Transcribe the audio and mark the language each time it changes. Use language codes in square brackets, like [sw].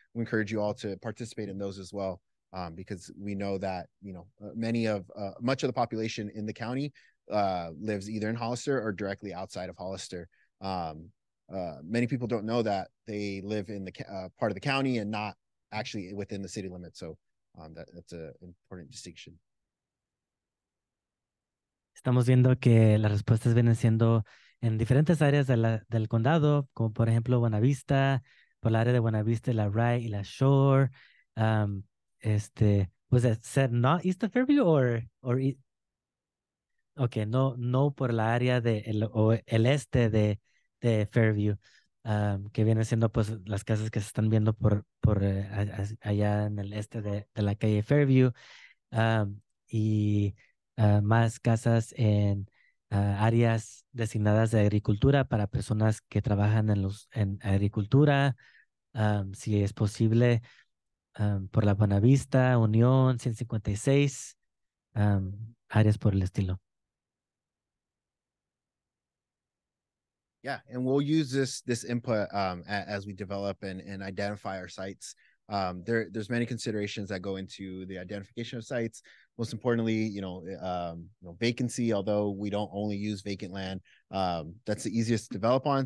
[en] We encourage you all to participate in those as well, because we know that, you know, much of the population in the county lives either in Hollister or directly outside of Hollister. Many people don't know that they live in the part of the county and not actually within the city limits. So that's an important distinction. [es] Estamos viendo que las respuestas vienen siendo en diferentes áreas del condado, como por ejemplo Buenavista, por el área de Buenavista, la Wright y la Shore. [en] Was it said not east of Fairview or okay, [es] no por la área de el este de Fairview, que viene siendo pues las casas que se están viendo por allá en el este de la calle Fairview, y más casas en áreas designadas de agricultura para personas que trabajan en agricultura, si es posible, por la Buenavista, Unión, 156, áreas por el estilo. [en] Yeah, and we'll use this input as we develop and identify our sites. There's many considerations that go into the identification of sites. Most importantly, vacancy, although we don't only use vacant land, that's the easiest to develop on.